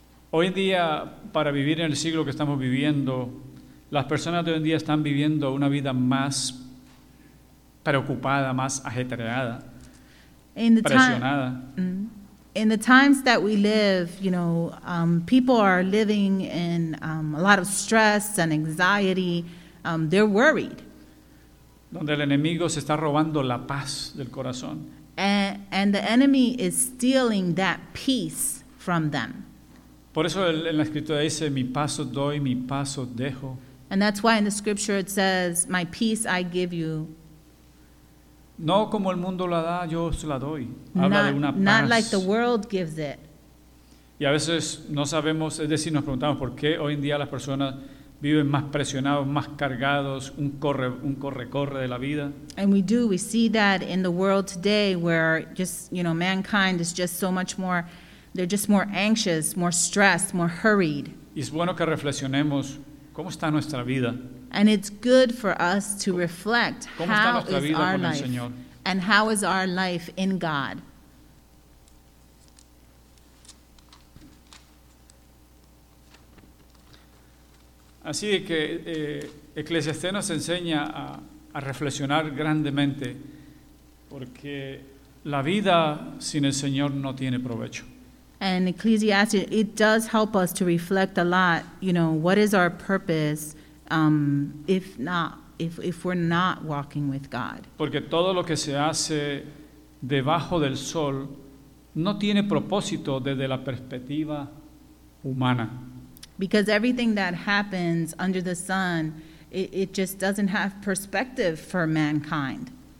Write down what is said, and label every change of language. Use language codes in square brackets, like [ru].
[es] Hoy en día, para vivir en el siglo que estamos viviendo, las personas de hoy en día están viviendo una vida más preocupada, más ajetreada. [en] In the times that we live, you know, people are living in a lot of stress and anxiety. They're worried. [es] Donde el enemigo se está robando la paz del corazón. [en] And the enemy is stealing that peace from them. [es] Por eso en la escritura dice, mi paso doy, mi paso dejo. [en] And that's why in the scripture it says, my peace I give you. [es] No como el mundo la da, yo se la doy. Habla [en] not, [es] de una paz. [en] Not like the world gives it. [es] Y a veces no sabemos, es decir, nos preguntamos por qué hoy en día las personas viven más presionados, más cargados, un corre-corre de la vida. [en] And we do. We see that in the world today where just, you know, mankind is just so much more, they're just more anxious, more stressed, more hurried. [es] Y es bueno que reflexionemos, ¿cómo está nuestra vida? [en] And it's good for us to reflect how is our life [es] Señor? [en] And how is our life in God. [es] Así que Eclesiastés nos enseña a reflexionar grandemente, porque la vida sin el Señor no tiene provecho. [en] And Ecclesiastes, it does help us to reflect a lot, you know, what is our purpose if we're not walking with God? [es] Porque todo lo que se hace debajo del sol no tiene propósito desde la perspectiva humana. [en] Because everything that happens under the sun, it just doesn't have perspective for mankind.